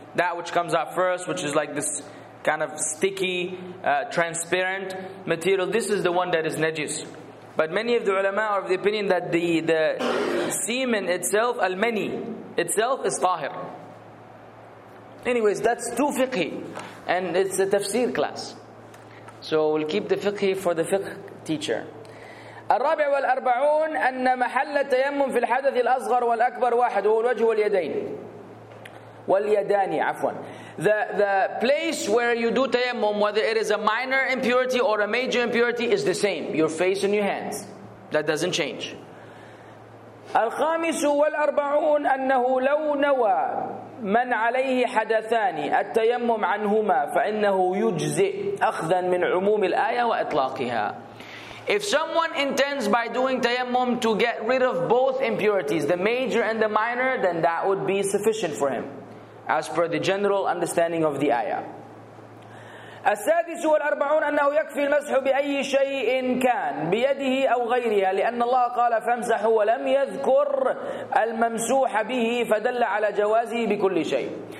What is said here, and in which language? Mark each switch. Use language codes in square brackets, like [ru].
[en] That which comes out first, which is like this kind of sticky, transparent material, this is the one that is najis. But many of the ulama are of the opinion that the semen itself, al-mani, itself is tahir. Anyways, that's too fiqhi, and it's a tafsir class. So we'll keep the fiqhi for the fiqh teacher. [ar] الرابع والأربعون أن محل التيمم في الحدث الأصغر والأكبر واحد هو الوجه واليدين واليدان عفوا. [en] The place where you do tayammum, whether it is a minor impurity or a major impurity, is the same. Your face and your hands. That doesn't change. [ar] الخامس والأربعون أنه لو نوى من عليه حدثان التيمم عنهما فإنه يجزئ أخذا من عموم الآية وإطلاقها. [en] If someone intends by doing tayammum to get rid of both impurities, the major and the minor, then that would be sufficient for him, as per the general understanding of the ayah. [ar] السادس والأربعون أنه يكفي المسح بأي شيء كان بيده أو غيرها لأن الله قال فامسحوا ولم يذكر الممسوح به فدل على جوازه بكل شيء.